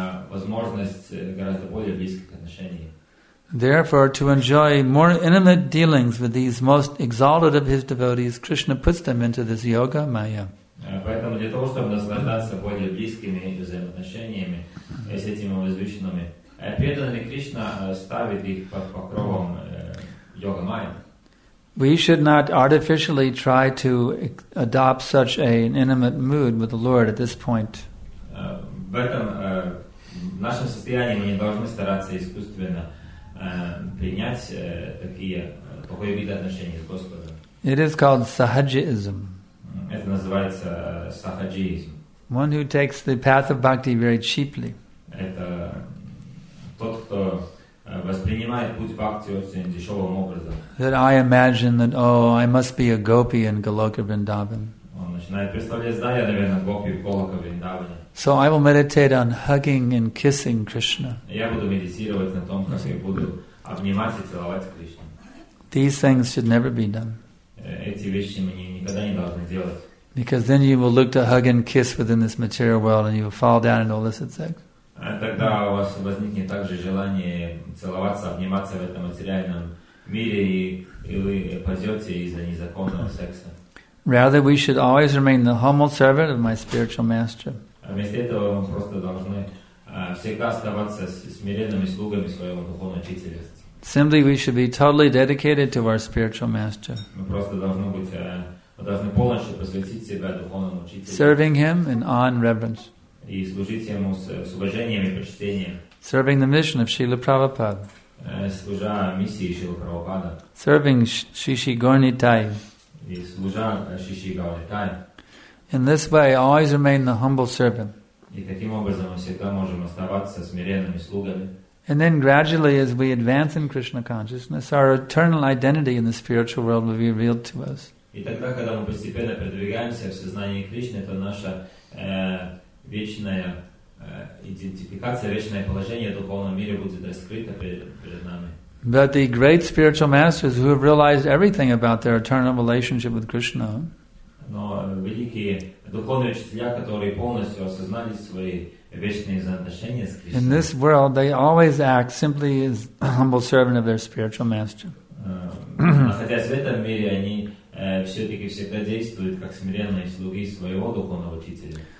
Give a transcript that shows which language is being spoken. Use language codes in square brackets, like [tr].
[ru] Возможность гораздо более близких отношений. [en] Therefore, to enjoy more intimate dealings with these most exalted of his devotees, Krishna puts them into this yoga maya. [ru] Поэтому для того, чтобы наслаждаться более близкими взаимоотношениями с этими возвышенными, преданный Кришна ставит их под покровом йога майя. [en] We should not artificially try to adopt such an intimate mood with the Lord at this point. [ru] В этом нашем состоянии мы не должны стараться искусственно принять такие такой вид отношений с Господом. [en] It is called sahajism. [ru] Это называется сахаджизм. [en] One who takes the path of bhakti very cheaply. [ru] Это тот, кто воспринимает путь бхакти очень дешевым образом. [en] That I imagine that, oh, I must be a gopi in Goloka Vrindavan. [ru] Он начинает представлять, да, я, наверное, гопи в Голока Вриндаване. [en] So I will meditate on hugging and kissing Krishna. [ru] Я буду медитировать на том, как я буду обнимать и целовать Кришну. [en] These things should never be done. [ru] Эти вещи мы никогда не должны делать. [en] Because then you will look to hug and kiss within this material world and you will fall down into illicit sex. [ru] Тогда у вас возникнет также желание целоваться, обниматься в этом материальном мире, и вы пойдете из-за незаконного секса. [en] Rather, we should always remain the humble servant of my spiritual master. [ru] Вместо этого мы просто должны всегда оставаться смиренными слугами своего духовного учителя. [en] Simply, we should be totally dedicated to our spiritual master. [ru] Мы просто должны полностью посвятить себя духовному учителю. [en] Serving him in awe and reverence. [ru] И служить ему с уважением и почтением. [en] Serving the mission of Srila Prabhupada. [ru] Служа миссии Шрилы Прабхупады. [en] Serving Шиши Гаур-Нитай. [ru] И служа Шиши Гаур-Нитай. [en] In this way, always remain the humble servant. [ru] И таким образом мы всегда можем оставаться смиренными слугами. [en] And then gradually, as we advance in Krishna consciousness, our eternal identity in the spiritual world will be revealed to us. [ru] И тогда, когда мы постепенно продвигаемся в сознании Кришны, то наша вечная идентификация, вечное положение в духовном мире будет раскрыто перед нами. [en] But the great spiritual masters who have realized everything about their eternal relationship with Krishna. [ru] Но великие духовные учителя, которые полностью осознали свои вечные взаимоотношения с Кришной. [en] In this world, they always act simply as a humble servant of their spiritual master. [ru] Находясь в этом мире, они все-таки всегда действуют как смиренные слуги своего духовного учителя.